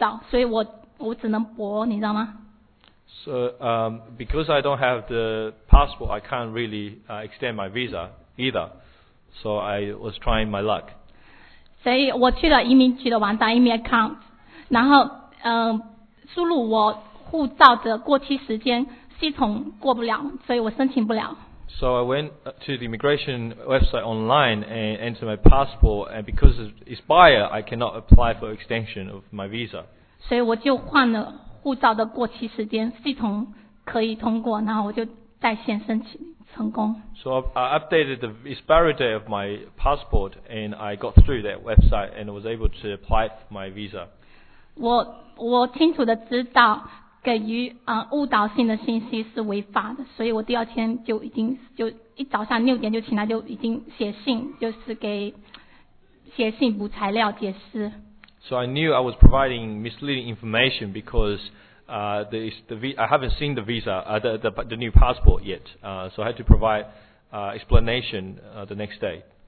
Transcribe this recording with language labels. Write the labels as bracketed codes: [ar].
[zh] 但是延签的话，我没有新的护照，所以我只能驳，你知道吗？ [en] So because I don't have the passport, I can't really extend my visa either. So I was trying my luck. [zh] 所以我去了移民局的网站，移民account。然后输入我护照的过期时间，系统过不了，所以我申请不了。So [en] I went to the immigration website online and entered my passport, and because it expired, I cannot apply for extension of my visa. [zh] 所以我就换了护照的过期时间，系统可以通过，然后我就在线申请成功。So [en] I updated the expiry date of my passport, and I got through that website, and was able to apply for my visa. [zh] 我清楚的知道，给予误导性的信息是违法的，所以我第二天就已经就一早上六点就起来就已经写信，就是给写信补材料解释。 [en] So I knew I was providing misleading information because I haven't seen the visa the new passport yet. So I had to provide explanation the next day.